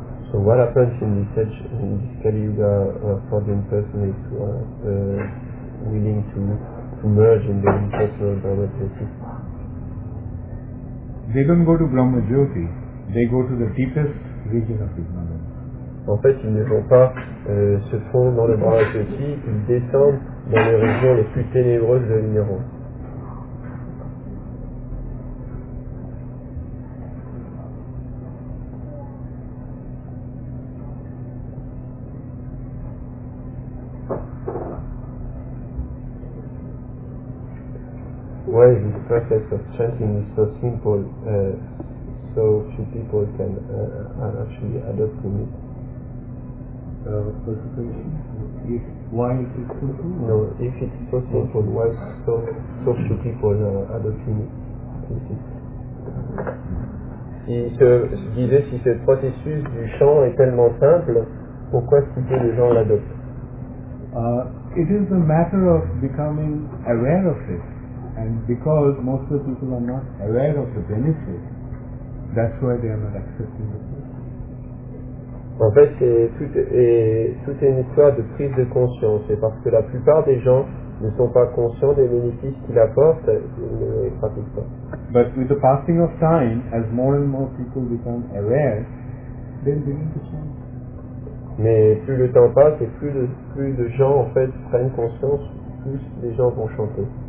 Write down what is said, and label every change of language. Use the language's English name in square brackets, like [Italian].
[English] So what happens in this age, in this Kali Yuga, for the impersonalists who are willing to merge in the impersonal Brahma Jyoti? They don't go to Brahma Jyoti, they go to the deepest region of ignorance. [French] En fait, ils ne vont pas se fondre dans le Brahma Jyoti, ils descendent dans les régions les plus ténébreuses de l'ignorance. [English] Why is this process of chanting is so simple, so few people can actually adopt in it? If it's so simple, why so few people adopting it? [French] Si ce processus du chant est tellement simple, pourquoi si peu de gens l'adoptent? [English] It is a matter of becoming aware of it. And because most of the people are not aware of the benefit, that's why they are not accepting the process. [French] En fait, tout est une histoire de prise de conscience. C'est parce que la plupart des gens ne sont pas conscients des bénéfices qu'il apporte, ils ne les pratiquent pas. [English] But with the passing of time, as more and more people become aware, they begin to change. [French] Mais plus le temps passe et plus de gens en fait prennent conscience, plus les gens vont chanter.